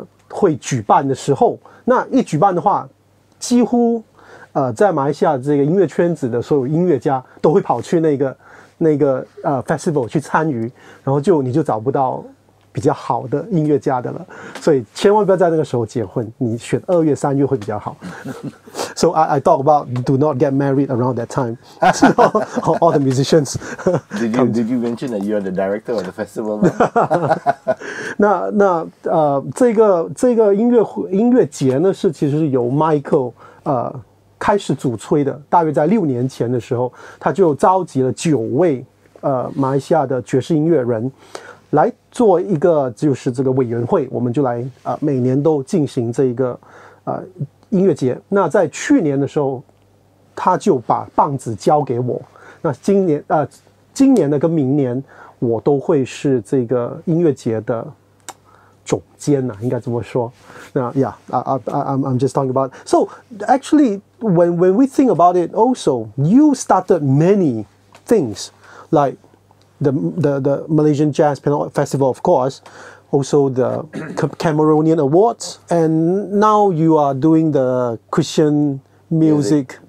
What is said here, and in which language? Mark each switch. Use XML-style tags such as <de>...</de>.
<zh>会举办的时候，那一举办的话，几乎在马来西亚这个音乐圈子的所有音乐家都会跑去那个festival 去参与，然后你就找不到比较好的音乐家的了，所以千万不要在那个时候结婚，你选二月三月会比较好。</zh> <en>So I talk about do not get married around that time. All the musicians. did you mention that you are the director of the festival?</en> <zh>那这个音乐节呢，是其实是由 Michael 开始主催的，大约在6年前的时候，他就召集了9位马来西亚的爵士音乐人来做一个，就是这个委员会，我们就来每年都进行这一个音乐节。那在去年的时候，他就把棒子交给我。那今年的跟明年，我都会是这个音乐节的总监呐，应该这么说。</zh> <en>那 I'm just talking about. So actually, when we think about it, also you started many things like the Malaysian Jazz Piano Festival, of course. Also the Cameroonian Awards, and now you are doing the Christian Music</en>